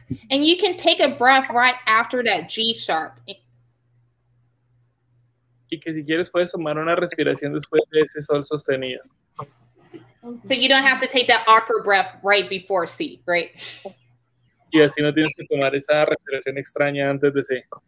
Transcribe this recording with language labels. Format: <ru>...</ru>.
<en>And you can take a breath right after that G sharp.</en> <es>Y que si quieres puedes tomar una respiración después de ese sol sostenido.</es> <en>So you don't have to take that awkward breath right before C, right?</en> <es>Y así no tienes que tomar esa respiración extraña antes de C.</es>